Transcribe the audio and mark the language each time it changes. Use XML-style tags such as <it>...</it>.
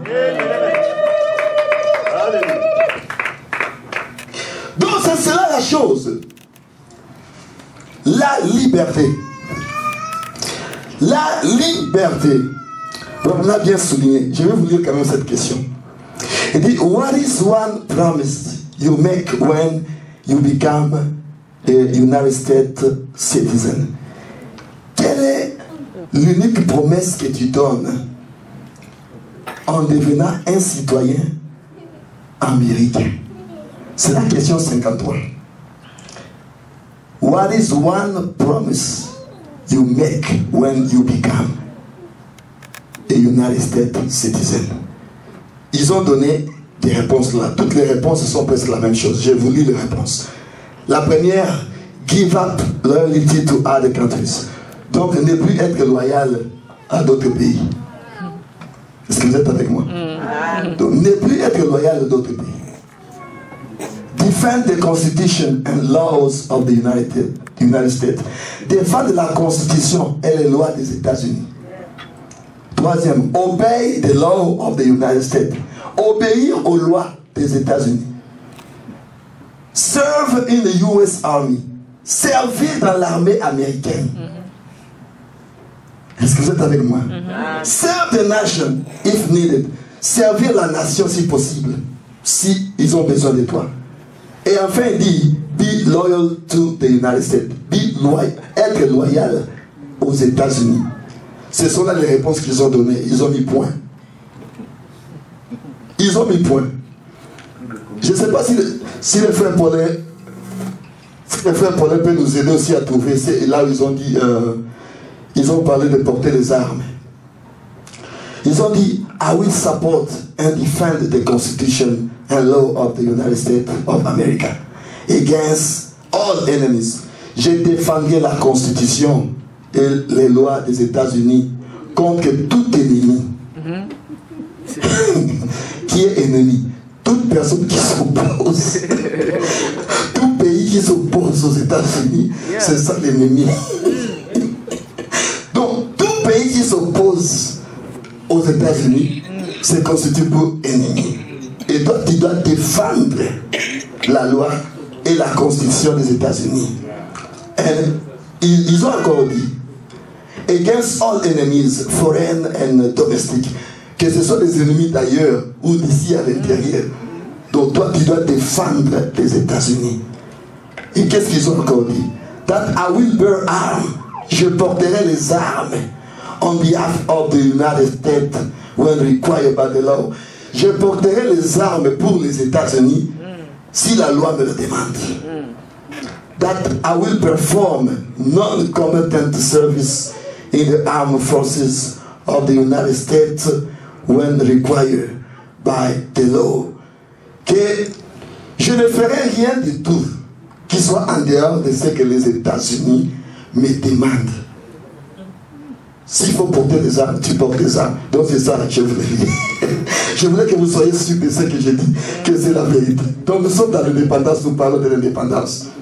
<fr>Amen. Donc, c'est cela la chose. La liberté. La liberté. On l'a bien souligné. Je vais vous lire quand même cette question. Il dit,</fr> <en>what is one promise you make when you become a United States citizen?</en> <fr>Quelle est l'unique promesse que tu donnes en devenant un citoyen américain? C'est la question 53.</fr> <en>What is one promise you make when you become a United States citizen?</en> <fr>Ils ont donné des réponses là. Toutes les réponses sont presque la même chose. Je vous lis les réponses. La première,</fr> <en>give up loyalty to other countries.</en> <fr>Donc, ne plus être loyal à d'autres pays. Est-ce que vous êtes avec moi? Donc, ne plus être loyal à d'autres pays.</fr> <en>Defend the constitution and laws of the United States.</en> <fr>Défendre la constitution et les lois des États-Unis.</fr> <en>Troisième, obey the law of the United States.</en> <fr>Obéir aux lois des États-Unis.</fr> <en>Serve in the U.S. Army.</en> <fr>Servir dans l'armée américaine. Mm-hmm. Est-ce que vous êtes avec moi? Mm-hmm.</fr> <en>Serve the nation if needed.</en> <fr>Servir la nation si possible. Si ils ont besoin de toi. Et enfin, il dit,</fr> <en>be loyal to the United States. Be loyal.</en> <fr>Être loyal aux États-Unis. Ce sont là les réponses qu'ils ont données. Ils ont mis point. Ils ont mis point. Je ne sais pas si le frère Paulin, si le frère Paulin peut nous aider aussi à trouver. C'est là où ils ont dit, ils ont parlé de porter les armes. Ils ont dit,</fr> <en>I will support and defend the Constitution and law of the United States of America against all enemies.</en> <fr>Je défendrai la Constitution et les lois des États-Unis contre tout ennemi. Mm-hmm. Qui est ennemi? Toute personne qui s'oppose. Tout pays qui s'oppose aux États-Unis, yeah. C'est ça l'ennemi. Donc, tout pays qui s'oppose aux États-Unis se constitue pour ennemi. Et toi, tu dois défendre la loi et la constitution des États-Unis. Et ils ont encore dit,</fr> <en>against all enemies, foreign and domestic,</en> <fr>que ce soit des ennemis d'ailleurs ou d'ici à l'intérieur. Donc toi, tu dois défendre les États-Unis. Et qu'est-ce qu'ils ont encore dit?</fr> <en>That I will bear arms,</en> <fr>je porterai les armes</fr> <en>on behalf of the United States when required by the law.</en> <fr>Je porterai les armes pour les États-Unis si la loi me le demande.</fr> <en>That I will perform non-combatant service in the armed forces of the United States when required by the law.</en> <fr>Que je ne ferai rien du tout qui soit en dehors de ce que les États-Unis me demandent. S'il faut porter des armes, tu portes des armes. Donc c'est ça que je voulais dire. Je voulais que vous soyez sûrs de ce que j'ai dit, que c'est la vérité. Donc nous sommes dans l'indépendance, nous parlons de l'indépendance.</fr>